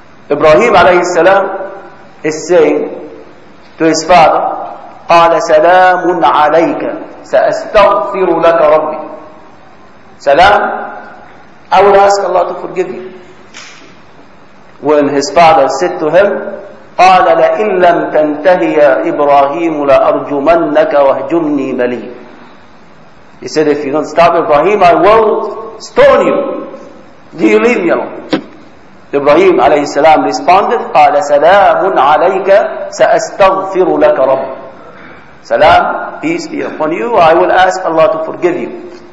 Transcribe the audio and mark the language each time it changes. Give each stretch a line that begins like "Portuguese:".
English: Ibrahim alayhi salam is saying to his father,
Arabic: قال سلام عليك سأستغفر لك ربي.
English: سلام, I will ask Allah to forgive you. When his father said to him,
Arabic: قال لئن لم تنتهي يا إبراهيم لأرجمنك واهجرني بليا.
English: He said, if you don't stop Ibrahim, I will stone you. Do you leave me alone? Ibrahim alayhi salam responded,
Arabic: قال سلام عليك سأستغفر لك رب.
English: Salam, peace be upon you, I will ask Allah to forgive you.